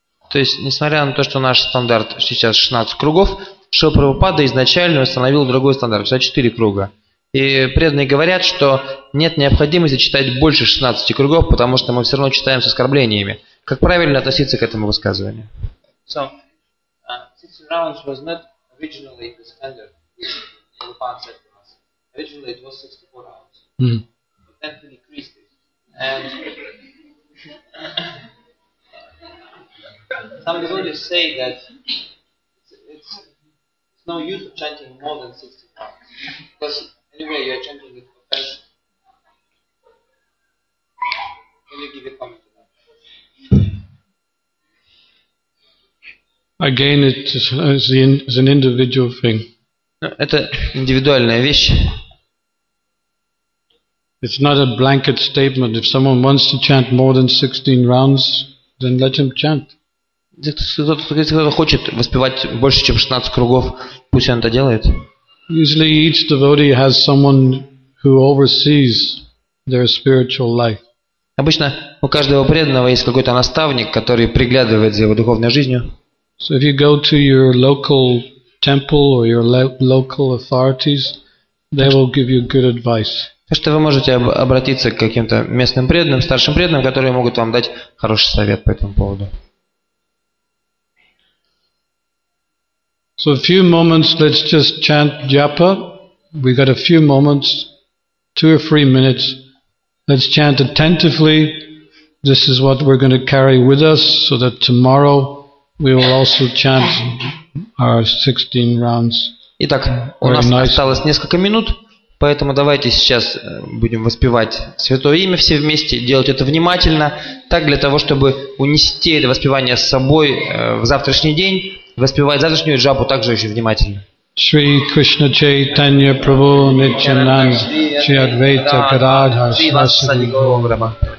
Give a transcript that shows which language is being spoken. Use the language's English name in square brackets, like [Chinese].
[Russian] То есть, несмотря на то, что наш стандарт сейчас 16 кругов, Шрила Прабхупада изначально установил другой стандарт, 64 круга. И преданные говорят, что нет необходимости читать больше 16 кругов, потому что мы все равно читаем с оскорблениями. Как правильно относиться к этому высказыванию? [English] So, 16 rounds was not originally the standard, which Prabhupada said to us. Originally it was 64 rounds. Mm-hmm. But then we increased it. And some devotees say that no use of chanting more than 60 times. Because anyway, you're chanting with compassion. Can you give a comment to that? Again, it's an individual thing. [Russian] Это индивидуальная вещь. [English] It's not a blanket statement. If someone wants to chant more than 16 rounds, then let him chant. [Russian] Если кто-то хочет воспевать больше, чем 16 кругов, пусть он это делает. [English] Usually each devotee has someone who oversees their spiritual life. [Russian] Обычно у каждого преданного есть какой-то наставник, который приглядывает за его духовной жизнью. [English] So if you go to your local temple or your local authorities, they will give you good advice. [Russian] Так что вы можете обратиться к каким-то местным преданным, старшим преданным, которые могут вам дать хороший совет по этому поводу. [English] So a few moments, let's just chant japa. We got a few moments, 2 or 3 minutes. Let's chant attentively. This is what we're going to carry with us so that tomorrow we will also chant our 16 rounds. [Russian] Итак, у нас осталось несколько минут, поэтому давайте сейчас будем воспевать Святое Имя все вместе, делать это внимательно, так для того, чтобы унести это воспевание с собой в завтрашний день, воспевать завтрашнюю джапу также очень внимательно. Шри Кришна Чайтанья Прабху Нитьянанда Шри Адвайта Гададхар Сарасвати Гаурама.